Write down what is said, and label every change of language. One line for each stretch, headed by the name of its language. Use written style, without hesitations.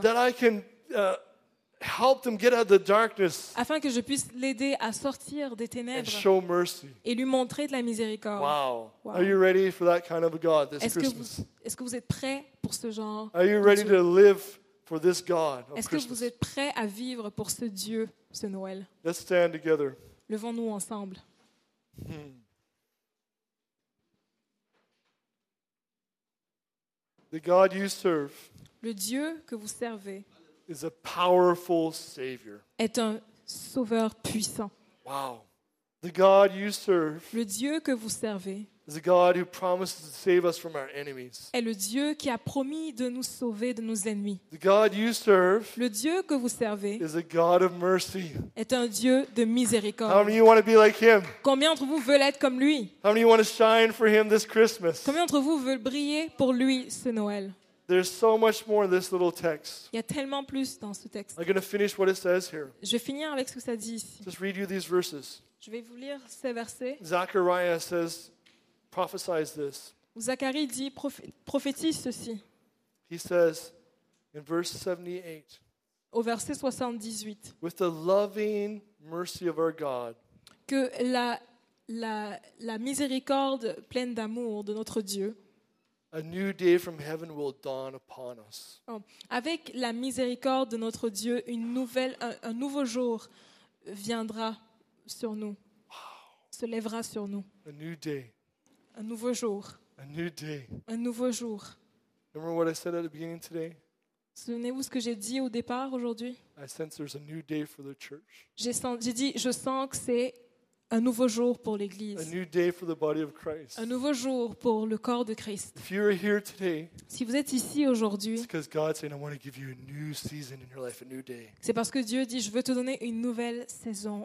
English: That I can help them get out of the darkness.
French: Afin que je puisse l'aider à sortir des ténèbres.
English: And show mercy.
French: Et lui montrer de la miséricorde. Wow.
English: Are you ready for that kind of a God this Christmas?
French: Est-ce que vous êtes prêt pour ce genre?
English: Are you ready to live for this God of
French: Christmas? Est-ce que vous êtes prêt à vivre pour ce Dieu? Ce Noël.
English: Let's stand together.
French: Levons-nous ensemble.
English: The God you serve,
French: le Dieu que vous servez,
English: is a powerful savior.
French: Est un sauveur puissant.
English: Wow. The God you serve,
French: le Dieu que vous servez,
English: is a God who promises to save us from our enemies.
French: Est le Dieu qui a promis de nous sauver de nos ennemis.
English: The God you serve,
French: le Dieu que vous servez,
English: is a God of mercy.
French: Est un Dieu de miséricorde.
English: How many of you want to be like him?
French: Combien d'entre vous veulent être comme lui?
English: How many of you want to shine for him this Christmas?
French: Combien d'entre vous veulent briller pour lui ce Noël?
English: There's so much more in this little text.
French: Il y a tellement plus dans ce texte.
English: I'm going to finish what it says here.
French: Je vais finir avec ce que ça dit ici.
English: Just read you these verses.
French: Je vais vous lire ces versets.
English: Zachariah says. Prophesies this.
French: Zacharie dit prophétise ceci.
English: He says in verse 78.
French: Au verset 78.
English: With the loving mercy of our God.
French: Que la miséricorde pleine d'amour de notre Dieu.
English: A new day from heaven will dawn upon us. Oh.
French: Avec la miséricorde de notre Dieu, un nouveau jour viendra sur nous. Wow. Se lèvera sur nous.
English: A new day.
French: Un nouveau jour.
English: A new day.
French: Un nouveau jour.
English: Remember what I said at the beginning today?
French: Souvenez-vous ce que j'ai dit au départ aujourd'hui?
English: I sense there's a new day for the church.
French: Je sens que c'est un nouveau jour pour l'Église.
English: A new day for the body of Christ.
French: Un nouveau jour pour le corps de Christ.
English: If you're here today,
French: si vous êtes ici aujourd'hui,
English: it's because God's saying, I want to give you a new season in your life, a new day.
French: C'est parce que Dieu dit, je veux te donner une nouvelle saison,